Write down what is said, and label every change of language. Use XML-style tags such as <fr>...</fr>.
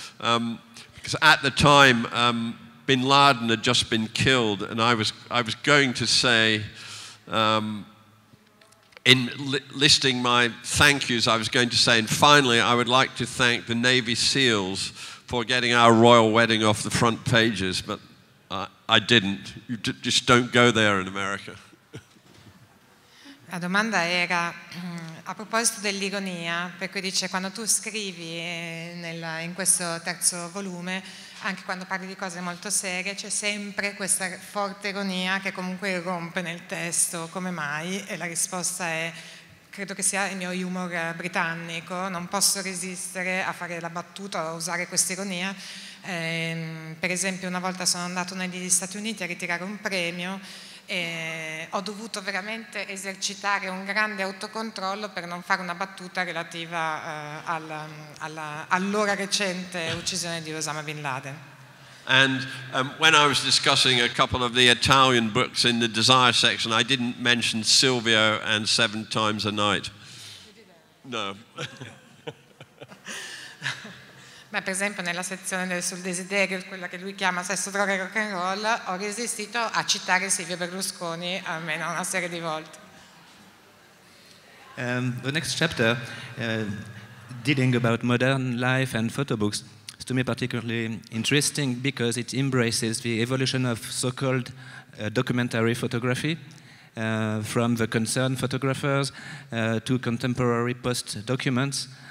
<en>Because at the time, Bin Laden had just been killed, and I was going to say, listing my thank yous, I was going to say, and finally, I would like to thank the Navy SEALs for getting our royal wedding off the front pages, but I didn't. You just don't go there in America.</en> <it>La domanda era a proposito dell'ironia, per cui dice, quando tu scrivi in questo terzo volume, anche quando parli di cose molto serie, c'è sempre questa forte ironia che comunque irrompe nel testo, come mai? E la risposta è, credo che sia il mio humor britannico, non posso resistere a fare la battuta, a usare questa ironia. Per esempio, una volta sono andato negli Stati Uniti a ritirare un premio e ho dovuto veramente esercitare un grande autocontrollo per non fare una battuta relativa all'ora recente uccisione di Osama Bin Laden.</it> <en>And when I was discussing a couple of the Italian books in the desire section, I didn't mention Silvio and Seven Times a Night. No.</en> <it>Ma per esempio nella sezione sul desiderio, quella che lui chiama sesso, droga e rock and roll, ho resistito a citare Silvio Berlusconi almeno una serie di volte.</it> <en>The next chapter, dealing about modern life and photo books, is to me particularly interesting because it embraces the evolution of so-called documentary photography, from the concerned photographers to contemporary post-documents.</en>